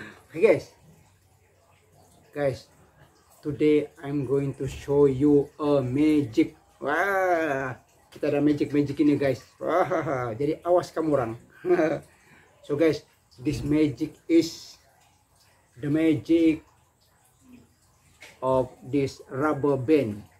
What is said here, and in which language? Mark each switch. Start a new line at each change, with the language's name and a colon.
English: Hey guys, today I'm going to show you a magic.
Indonesian: Wah, kita ada magic ini guys. Jadi awas kamu orang.
English: So guys, this magic is the magic of this rubber band.